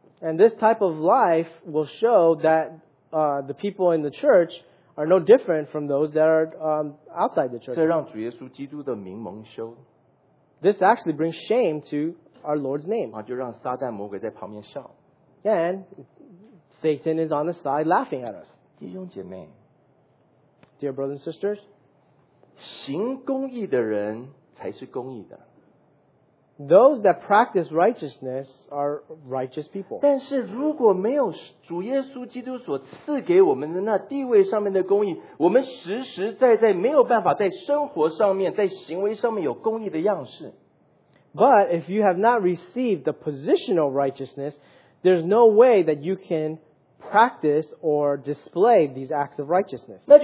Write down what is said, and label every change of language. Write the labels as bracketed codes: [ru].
[en] And this type of life will show that the people in the church are no different from those that are outside the church. [zh] 这让主耶稣基督的名蒙羞。 [en] This actually brings shame to our Lord's name. [zh] 就让撒旦魔鬼在旁边笑。 [en] And Satan is on the side laughing at us. [zh] 弟兄姐妹, [en] Dear brothers and sisters, [zh] 行公义的人才是公义的。 [en] Those that practice righteousness are righteous people. [zh] 但是如果没有主耶稣基督所赐给我们的那地位上面的公义, 我们实实在在没有办法在生活上面, 在行为上面有公义的样式。 [en] But if you have not received the positional righteousness, there's no way that you can practice or display these acts of righteousness.